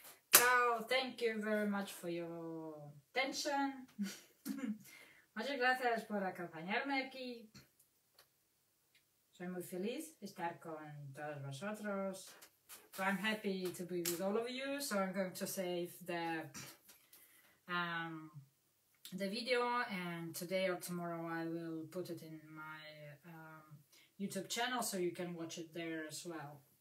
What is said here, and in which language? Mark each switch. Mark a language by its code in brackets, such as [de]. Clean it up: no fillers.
[en] Chao, thank you very much for your attention. [es] Muchas gracias por acompañarme aquí. Soy muy feliz de estar con todos vosotros. [en] So I'm happy to be with all of you. So I'm going to save the video, and today or tomorrow I will put it in my YouTube channel so you can watch it there as well.